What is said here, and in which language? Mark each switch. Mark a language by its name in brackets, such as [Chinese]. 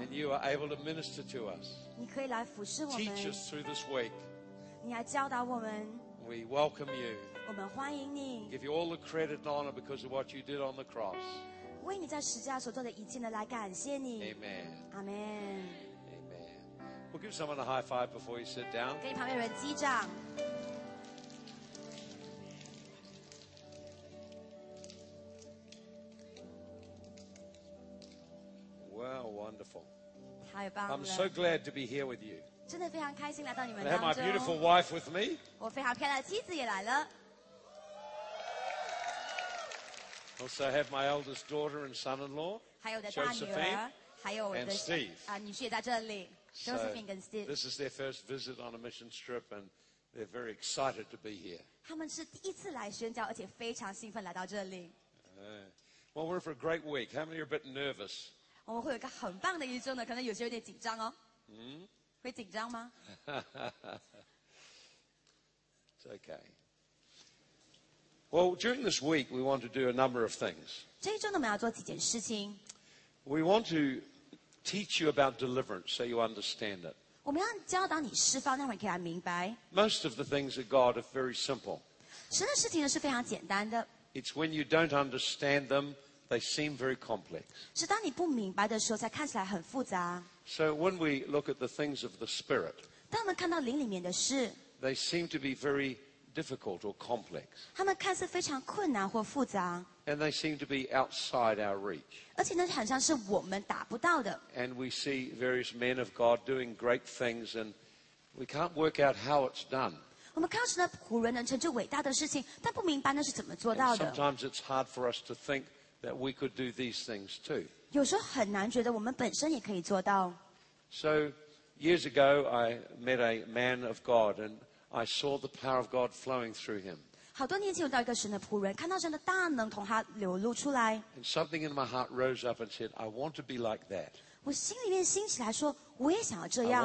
[English] And you are able to minister to us. [Chinese] 你可以来服侍我们。 [English] Teach us through this week. [Chinese] 你来教导我们。 [English] We welcome you. [Chinese] 我们欢迎你。 [English] Give you all the credit and honor because of what you did on the cross. [Chinese] 为你在十字架所做的一切呢，来感谢你。 [English] Amen. Amen. Amen. We'll give someone a high five before you sit down. [Chinese] 给你旁边人击掌。 [English] Wow, wonderful. [Chinese] 太棒了。 [English] I'm so glad to be here with you. [Chinese] 真的非常开心来到你们当中。 [English] I have my beautiful wife with me. [Chinese] 我非常漂亮的妻子也来了。 [English] Also have my eldest daughter and son-in-law. [Chinese] 还有我的大女儿。 [English] Josephine. [Chinese] 还有我的。 [English] And Steve. [Chinese] 女婿也在这里。Josephine and Steve. [English] This is their first visit on a mission trip and they're very excited to be here. [Chinese] 他们是第一次来宣教，而且非常兴奋来到这里。 [English] Well, we're for a great week. How many are a bit nervous? [Chinese] 我们会有一个很棒的一周呢，可能有些有点紧张哦。会紧张吗 [English] ？It's okay. Well, during this week, we want to do a number of things. [Chinese] 这一周呢，我们要做几件事情。 [English] We want to teach you about deliverance, so you understand it. [Chinese] 我们要教导你释放，让你可以来明白。 [English] Most of the things of God are very simple. [Chinese] 神的事情呢是非常简单的。 [English] It's when you don't understand them. they seem very complex. [Chinese] 是当你不明白的时候才看起来很复杂。 [English] So when we look at the things of the Spirit, [Chinese] 当我们看到灵里面的事, [English] they seem to be very difficult or complex. [Chinese] 他们看似非常困难或复杂。 [English] And they seem to be outside our reach. [Chinese] 而且呢，好像是我们达不到的。 [English] And we see various men of God doing great things, and we can't work out how it's done. [Chinese] 我们看到呢，仆人能成就伟大的事情，但不明白那是怎么做到的。 [English] And sometimes it's hard for us to think that we could do these things too. [Chinese] 有时候很难觉得我们本身也可以做到。 [English] So years ago, I met a man of God, and I saw the power of God flowing through him. [Chinese] 好多年前，我到一个神的仆人，看到神的大能从他流露出来。 [English] And something in my heart rose up and said, "I want to be like that." [Chinese] 我心里面兴起来说，我也想要这样。